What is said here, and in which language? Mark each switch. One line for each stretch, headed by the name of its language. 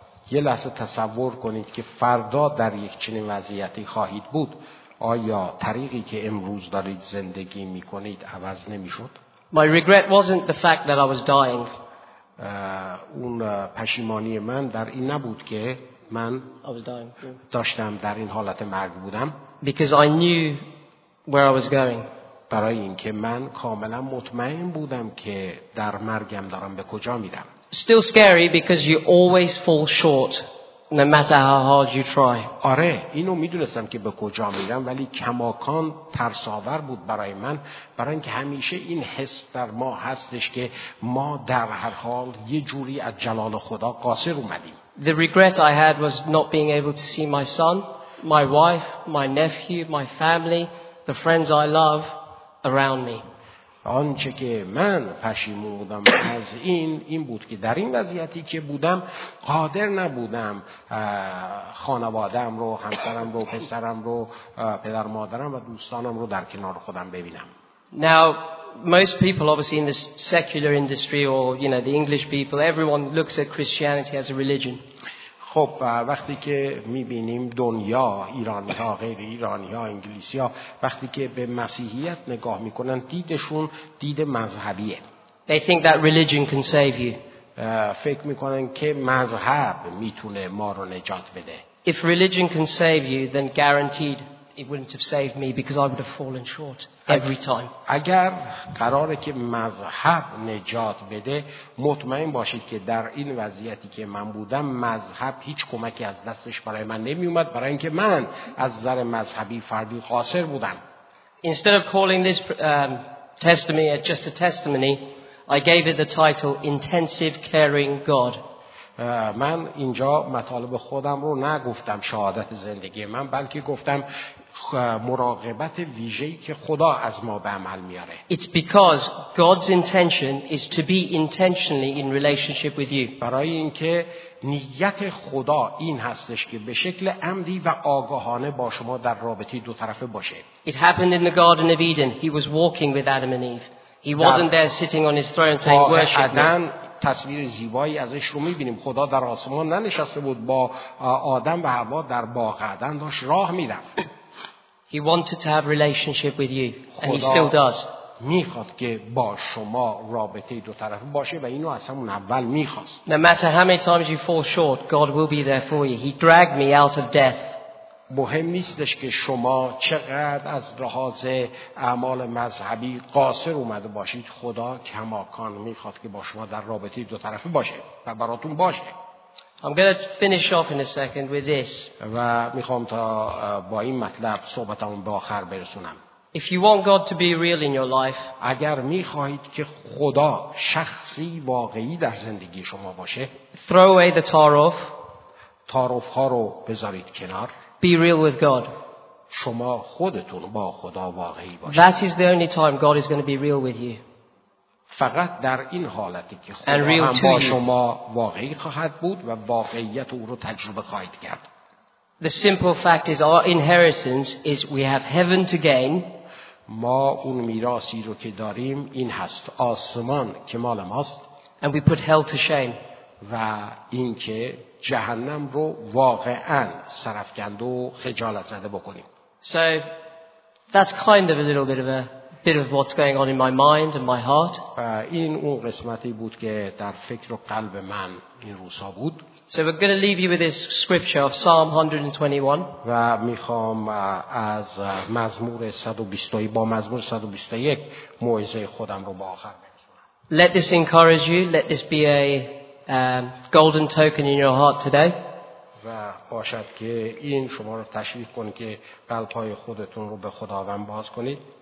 Persian: یه لحظه تصور کنید که فردا در یک چنین وضعیتی خواهید بود. آیا طریقی که امروز دارید زندگی می کنید عوض نمی شد؟
English: My regret wasn't the fact that I was dying.
Persian: اون پشیمانی من در این نبود که من
English: I was dying.
Persian: داشتم در این حالت مرگ بودم.
English: Because I knew where I was going.
Persian: برای این که من کاملا مطمئن بودم که در مرگم دارم به کجا میرم.
English: Still scary because you always fall short no matter how hard you try.
Persian: آره اینو میدونستم که به کجا میرم ولی کماکان ترس‌آور بود برای من برای اینکه همیشه این حس در ما هستش که ما در هر حال یه جوری از جلال خدا قاصر اومدیم.
English: The regret I had was not being able to see my son, my wife, my nephew, my family, the friends I love around me.
Persian: آنچه که من پشیمون بودم از این بود که در این وضعیتی که بودم قادر نبودم خانواده‌ام رو، همسرم رو، پسرم رو، پدر مادرم و دوستانم رو در کنار خودم ببینم.
English: Now most people obviously in this secular industry or you know the English people everyone looks at Christianity as a religion.
Persian: خب وقتی که می‌بینیم دنیا ایرانی‌ها غیر ایرانی‌ها انگلیسی‌ها وقتی که به مسیحیت نگاه می‌کنن دیدشون دید مذهبیه.
English: They think that religion can save you.
Persian: فکر می‌کنن که مذهب می‌تونه ما رو نجات بده.
English: If religion can save you then guaranteed it wouldn't have saved me because I would have fallen short every time.
Persian: اگر قراره که مذهب نجات بده مطمئن باشید که در این وضعیتی که من بودم مذهب هیچ کمکی از دستش برای من نمی اومد برای اینکه من از نظر مذهبی فردی قاصر بودم.
English: Instead of calling this testimony just a testimony I gave it the title intensive caring God.
Persian: من اینجا مطالب خودم رو نگفتم شهادت زندگی من بلکه گفتم مراقبت ویژه‌ای که خدا از ما به عمل میاره.
English: It's because God's intention is to be intentionally in relationship with you.
Persian: برای اینکه نیت خدا این هستش که به شکل عمدی و آگاهانه با شما در رابطه دو طرفه باشه.
English: It happened in the Garden of Eden. He was walking with Adam and Eve. He wasn't there sitting on his throne saying worship Adam.
Persian: تصویر زیبایی ازش رو می‌بینیم. خدا در آسمان ننشسته بود با آدم و حوا در باغ عدن داشت راه می‌رفت.
English: He wanted to have relationship with you and he still does.
Persian: میخواد که با شما رابطه دو طرفه باشه و اینو از همون اول میخواست.
English: No matter how many times you fall short, God will be there for you. He dragged me out of death.
Persian: مهم نیستش که شما چقدر از لحاظ اعمال مذهبی قاصر اومده باشید، خدا کماکان میخواد که با شما در رابطه دو طرفه باشه و براتون باشه.
English: I'm going to finish off in a second with this.
Persian: و میخوام تا با این مطلب صحبتمون به آخر برسونم.
English: If you want God to be real in your life,
Persian: اگر میخواهید که خدا شخصی واقعی در زندگی شما باشه،
English: throw away the tarof.
Persian: تعارف ها رو بذارید کنار.
English: Be real with God.
Persian: شما خودتون با خدا واقعی باشید.
English: That is the only time God is going to be real with you.
Persian: فقط در این حالتی که خدا هم با شما واقعی خواهد بود و واقعیت او رو تجربه خواهید کرد.
English: The simple fact is our inheritance is we have heaven to gain.
Persian: ما اون میراثی رو که داریم این هست، آسمان که مال ماست.
English: And we put hell to shame.
Persian: و اینکه جهنم رو واقعا سرافکند و خجالت زده بکنیم.
English: So that's kind of a little bit of a bit of what's going on in my mind and my heart.
Persian: این اون قسمتی بود که در فکر و قلب من این روزا بود.
English: So we're going to leave you with this scripture of Psalm 121.
Persian: و میخوام از مزمور 121 با مزمور 121 موعظه خودم رو با آخر برسونم.
English: Let this encourage you. Let this be a golden token in your heart today.
Persian: و باشد که این شما رو تشویق کنه که قلب‌های خودتون رو به خداوند باز کنید.